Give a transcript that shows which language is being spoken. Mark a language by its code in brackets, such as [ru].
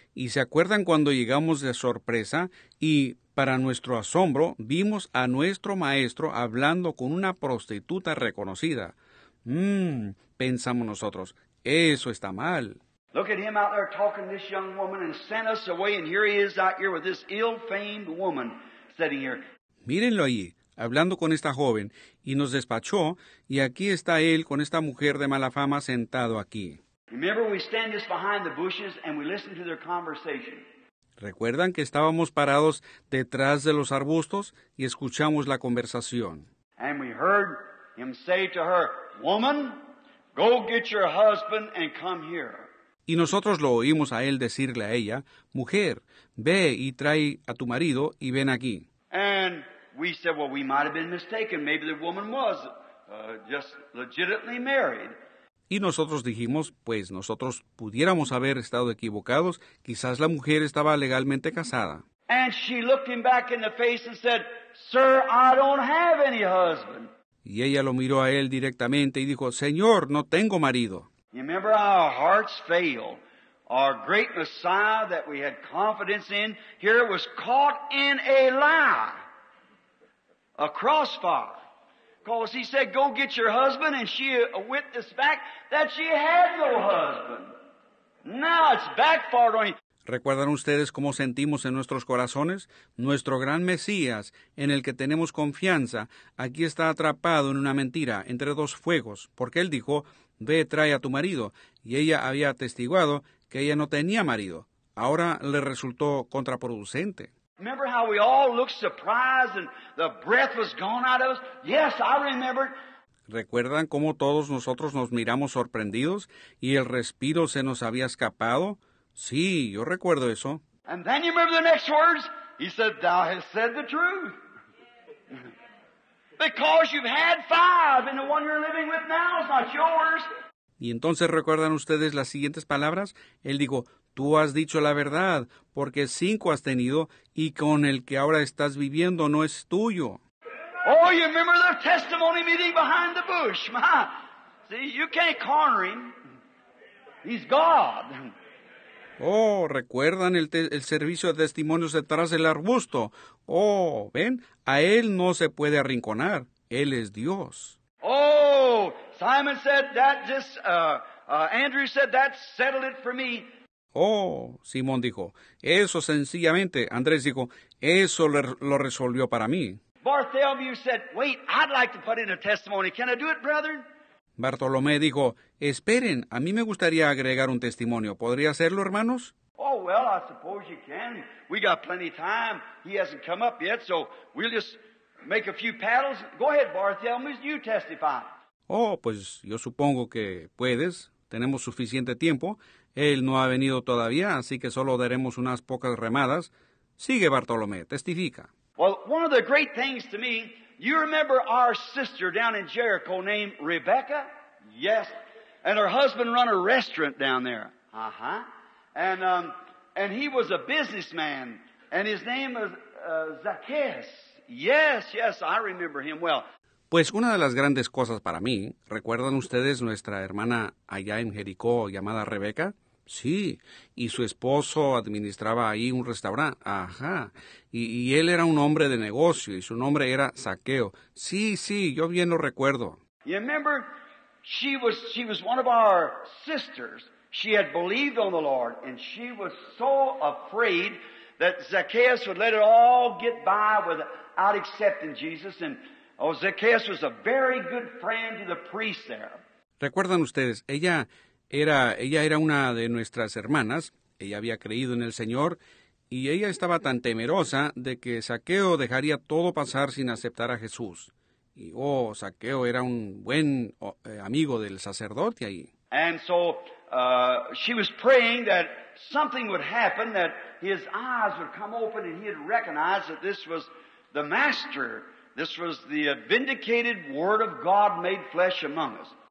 [es] Y se acuerdan cuando llegamos de sorpresa y para nuestro asombro vimos a nuestro maestro hablando con una prostituta reconocida. Pensamos nosotros, eso está mal. [en] Look at him out there talking to this young woman and sent us away and here he is out here with this ill-famed woman sitting here. [es] Mírenlo allí, hablando con esta joven y nos despachó y aquí está él con esta mujer de mala fama sentado aquí. [en] Remember we stand just behind the bushes and we listen to their conversation. [es] ¿Recuerdan que estábamos parados detrás de los arbustos y escuchamos la conversación? [en] And we heard him say to her, woman, go get your husband and come here. [es] Y nosotros lo oímos a él decirle a ella, mujer, ve y trae a tu marido y ven aquí. [en] And we said, well, we might have been mistaken. Maybe the woman was just legitimately married. [es] Y nosotros dijimos, pues nosotros pudiéramos haber estado equivocados. Quizás la mujer estaba legalmente casada. [en] And she looked him back in the face and said, sir, I don't have any husband. [es] Y ella lo miró a él directamente y dijo, señor, no tengo marido. [en] You remember our hearts failed. Our great Messiah that we had confidence in here was caught in a lie, a crossfire. Because he said, go get your husband, and she witnessed back that she had no husband. Now it's backfired on you. [es] ¿Recuerdan ustedes cómo sentimos en nuestros corazones? Nuestro gran Mesías, en el que tenemos confianza, aquí está atrapado en una mentira, entre dos fuegos, porque él dijo, ve, trae a tu marido, y ella había atestiguado que ella no tenía marido. Ahora le resultó contraproducente. [en] Remember how we all looked surprised and the breath was gone out of us? Yes, I remember. [es] ¿Recuerdan cómo todos nosotros nos miramos sorprendidos y el respiro se nos había escapado? Sí, yo recuerdo eso. [en] And then you remember the next words? He said, thou hast said the truth. Because you've had five and the one you're living with now is not yours. [es] Y entonces recuerdan ustedes las siguientes palabras? Él dijo, tú has dicho la verdad, porque cinco has tenido y con el que ahora estás viviendo no es tuyo. [en] Oh, you remember the testimony meeting behind the bush? My, see, you can't corner him. He's God. [es] Oh, ¿recuerdan el servicio de testimonios detrás del arbusto? Oh, ¿ven? A él no se puede arrinconar. Él es Dios. [en] Oh, Simon said that just, Andrew said that settled it for me. [es] Oh, Simón dijo, eso sencillamente, Andrés dijo, eso lo resolvió para mí. [en] Bartholomew said, wait, I'd like to put in a testimony. Can I do it, brethren? [es] Bartolomé dijo, esperen, a mí me gustaría agregar un testimonio. ¿Podría hacerlo, hermanos? [en] Oh, well, I suppose you can. We got plenty of time. He hasn't come up yet, so we'll just make a few paddles. Go ahead, Bartholomew, you testify. [es] Oh, pues yo supongo que puedes. Tenemos suficiente tiempo. Él no ha venido todavía, así que solo daremos unas pocas remadas. Sigue, Bartolomé, testifica. [en] Well, one of the great things to me, you remember our sister down in Jericho named Rebecca? Yes. And her husband run a restaurant down there. Uh-huh. And he was a businessman. And his name was Zacchaeus. Yes, yes, I remember him well. [es] Pues una de las grandes cosas para mí, ¿recuerdan ustedes nuestra hermana allá en Jericó llamada Rebeca? Sí, y su esposo administraba ahí un restaurante. Ajá, y él era un hombre de negocio y su nombre era Zaqueo. Sí, sí, yo bien lo recuerdo. [en] You remember, she was one of our sisters. She had believed on the Lord and she was so afraid that Zacchaeus would let it all get by without accepting Jesus. And oh, Zacchaeus was a very good friend to the priest there. [es] ¿Recuerdan ustedes? Ella era una de nuestras hermanas. Ella había creído en el Señor y ella estaba tan temerosa de que Zaqueo dejaría todo pasar sin aceptar a Jesús. Y oh, Zaqueo era un buen amigo del sacerdote ahí. [en] And so she was praying that something would happen, that his eyes would come open and he'd recognize that this was the Master. This was the vindicated Word of God made flesh among us.